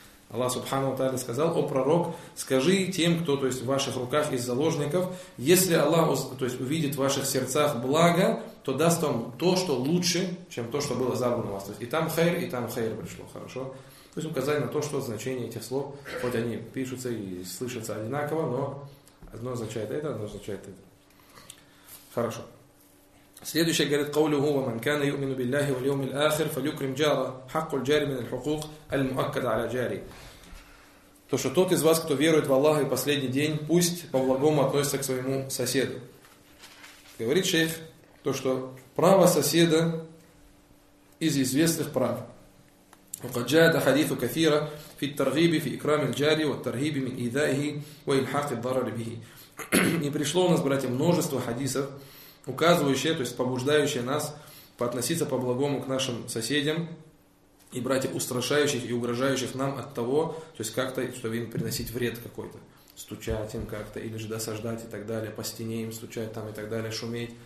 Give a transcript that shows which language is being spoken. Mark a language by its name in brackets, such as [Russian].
[Russian] Аллах Субхану ва Тааля сказал, о пророк, скажи тем, кто то есть, в ваших руках из заложников, если Аллах то есть, увидит в ваших сердцах благо, то даст вам то, что лучше, чем то, что было забрано у вас. То есть, и там хайр пришло, хорошо? То есть указание на то, что значение этих слов, хоть они пишутся и слышатся одинаково, но одно означает это, одно означает это. Хорошо. Следующее говорит [Arabic] قوله هو من كان يؤمن بالله واليوم الآخر فليكرم جاره حق الجار من الحقوق المؤكدة على جاري. [Russian] То что тот из вас, кто верует в Аллаха и последний день, пусть по-благому относится к своему соседу. Говорит шейх, то что право соседа из известных прав. [Arabic] وقد جاء حديث كثيرة في الترغيب في إكرام الجار والترهيب من إيذائه وإلحاق الضرر به. [Russian] И пришло у нас, братья, множество хадисов, указывающее, то есть побуждающее нас относиться по-благому к нашим соседям и братья устрашающих и угрожающих нам от того, то есть как-то, чтобы им приносить вред какой-то, стучать им как-то, или же досаждать и так далее, по стене им стучать там и так далее, шуметь.